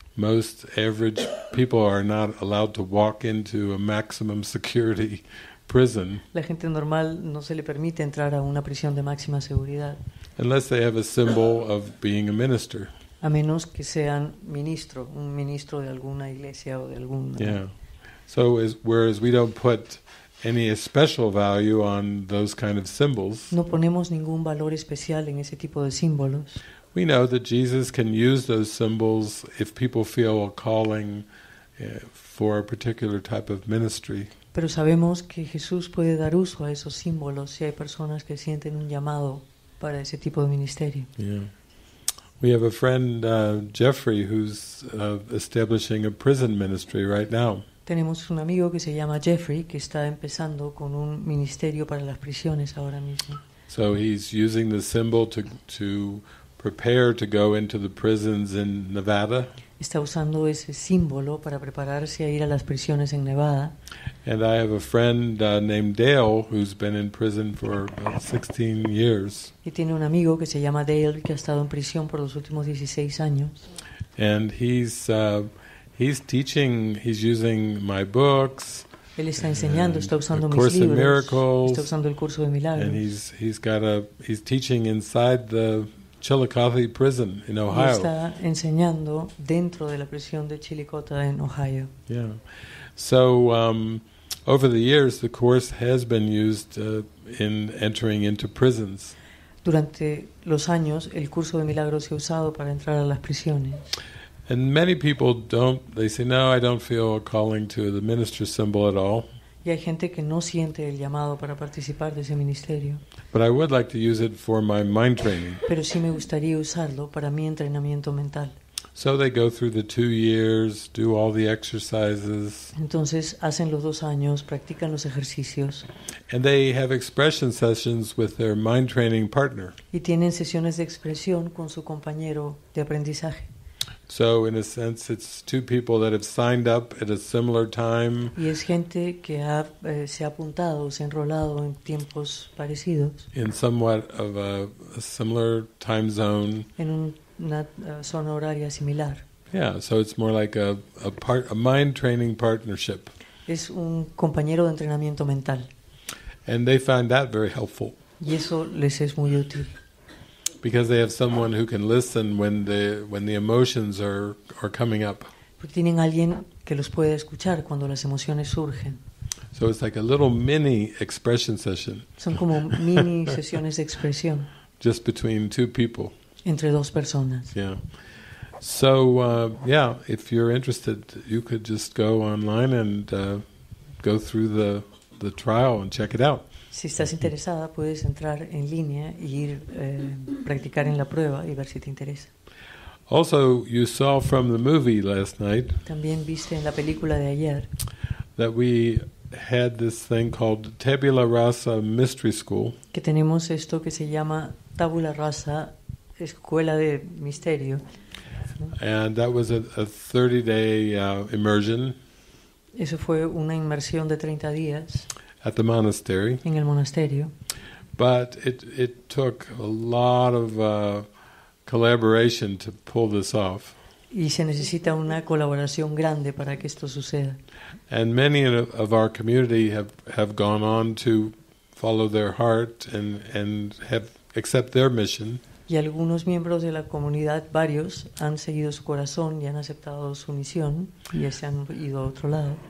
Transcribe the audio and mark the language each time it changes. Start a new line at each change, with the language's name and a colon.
English: Most average people are not allowed to walk into a maximum security prison.
Spanish: La gente normal no se le permite entrar a una prisión de máxima seguridad.
English: Unless they have a symbol of being a minister.
Spanish: A menos que sean ministro, un ministro de alguna iglesia o de algún.
English: Yeah. So whereas we don't put any special value on those kind of symbols.
Spanish: No ponemos ningún valor especial en ese tipo de símbolos.
English: We know that Jesus can use those symbols if people feel a calling for a particular type of ministry.
Spanish: Pero sabemos que Jesús puede dar uso a esos símbolos si hay personas que sienten un llamado para ese tipo de ministerio.
English: Yeah. We have a friend, Jeffrey, who's establishing a prison ministry right now.
Spanish: Tenemos un amigo que se llama Jeffrey que está empezando con un ministerio para las prisiones ahora mismo.
English: So he's using the symbol to prepare to go into the prisons in Nevada.
Spanish: Está usando ese símbolo para prepararse a ir a las prisiones en Nevada.
English: And I have a friend named Dale who's been in prison for 16 years.
Spanish: Y tiene un amigo que se llama Dale que ha estado en prisión por los últimos 16 años.
English: And he's teaching, he's using my books.
Spanish: Él está enseñando, está usando mis libros.
English: in Miracles.
Spanish: Está usando el curso de milagros.
English: And he's teaching inside the Chillicothe prison in Ohio.
Spanish: Está enseñando dentro de la prisión de Chillicothe en Ohio.
English: Yeah. So over the years the course has been used in entering into prisons.
Spanish: Durante los años el curso de milagros se ha usado para entrar a las prisiones.
English: And many people don't, they say, no, I don't feel a calling to the minister symbol at all.
Spanish: Y hay gente que no siente el llamado para participar de ese ministerio.
English: But I would like to use it for my mind training.
Spanish: Pero sí me gustaría usarlo para mi entrenamiento mental.
English: So they go through the 2 years, do all the exercises.
Spanish: Entonces hacen los 2 años, practican los ejercicios.
English: And they have expression sessions with their mind training partner.
Spanish: Y tienen sesiones de expresión con su compañero de aprendizaje.
English: So in a sense it's 2 people that have signed up at a similar time.
Spanish: Y es gente que ha se ha apuntado, se ha enrolado en tiempos parecidos.
English: In somewhat of a similar time zone.
Spanish: En una zona horaria similar.
English: Yeah, so it's more like a mind training partnership.
Spanish: Es un compañero de entrenamiento mental.
English: And they find that very helpful.
Spanish: Y eso les es muy útil.
English: Because they have someone who can listen when the emotions are coming up.
Spanish: Porque tienen alguien que los puede escuchar cuando las emociones surgen.
English: So it's like a little mini expression session.
Spanish: Son como mini sesiones de expresión.
English: Just between 2 people.
Spanish: Entre 2 personas.
English: Yeah. So yeah, if you're interested, you could just go online and go through the trial and check it out.
Spanish: Si estás interesada, puedes entrar en línea y ir practicar en la prueba y ver si te interesa.
English: Also, you saw from the movie last night.
Spanish: También viste en la película de ayer.
English: That we had this thing called Tabula Rasa Mystery School.
Spanish: Que tenemos esto que se llama Tabula Rasa, escuela de misterio.
English: And that was a 30-day immersion.
Spanish: Eso fue una inmersión de 30 días.
English: At the monastery.
Spanish: En el monasterio.
English: But it took a lot of collaboration to pull this off.
Spanish: Y se necesita una colaboración grande para que esto suceda.
English: And many of our community have gone on to follow their heart and have accept their mission.
Spanish: Y algunos miembros de la comunidad, varios, han seguido su corazón y han aceptado su misión y se han ido a otro lado.